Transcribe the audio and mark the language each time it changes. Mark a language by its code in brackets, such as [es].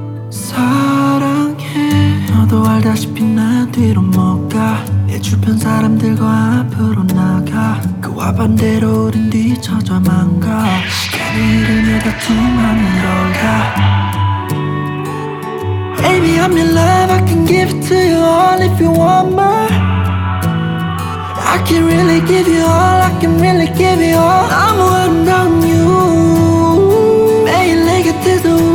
[ko] 사랑해. 너도 알다시피 난 뒤로 못 가. 내 주변 사람들과 앞으로 나가. 그와 반대로 우린 뒤쳐져만 가. 시간이 흐르며 다툼하는 걸까. [en] Baby I'm your love. I can give it to you all if you want more. I can really give you all, I can really give you all. [ko] 너무 아름다운 you 매일 내 곁에서.